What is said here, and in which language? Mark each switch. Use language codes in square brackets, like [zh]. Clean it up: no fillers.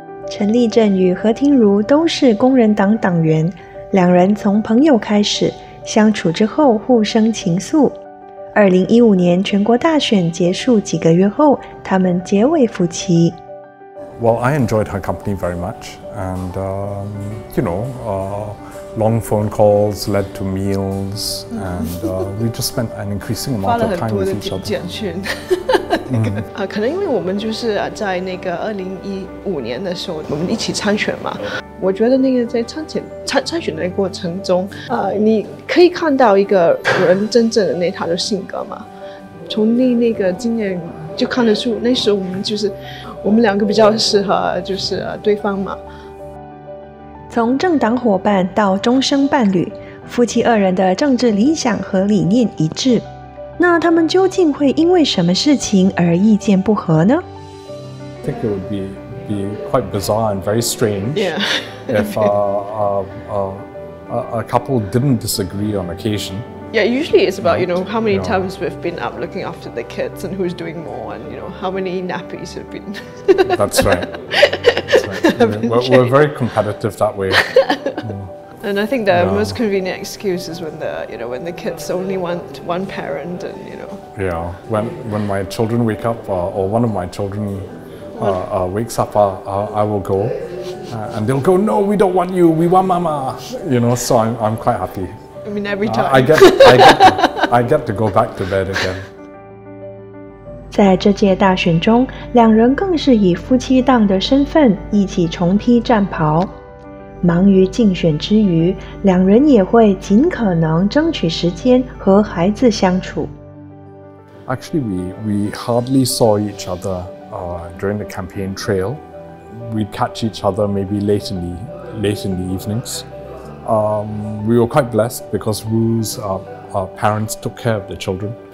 [zh] 陈立正与何庭如都是工人党党员，两人从朋友开始相处，之后互生情愫。 2015年全国大选结束几个月后，他们结为夫妻。 [en] Well, I enjoyed her company very much, and you know, long phone calls led to meals, and we just spent an increasing amount of time with each other. [zh] 可能因为我们就是在那个2015年的时候，我们一起参选嘛。我觉得那个在参选的过程中，你可以看到一个人真正的那他的性格嘛。从那个经验就看得出，那时候我们两个比较适合，就是对方嘛。从政党伙伴到终生伴侣，夫妻二人的政治理想和理念一致。那他们究竟会因为什么事情而意见不合呢？ [en] I think it would be quite bizarre and very strange, yeah. if a couple didn't disagree on occasion. Yeah, usually it's about, you know, how many times we've been up looking after the kids and who's doing more and, you know, how many nappies have been. That's right. we're very competitive that way. And I think the most convenient excuse is when the kids only want one parent, and you know. Yeah, when my children wake up, or one of my children wakes up, I will go, and they'll go, "No, we don't want you. We want Mama." You know, so I'm quite happy. I mean, every time I get to go back to bed again. [zh] 在这届大选中，两人更是以夫妻档的身份一起重披战袍。忙于竞选之余，两人也会尽可能争取时间和孩子相处。 [en] Actually, we hardly saw each other during the campaign trail. We'd catch each other maybe late in the evenings. We were quite blessed because Wu's parents took care of the children.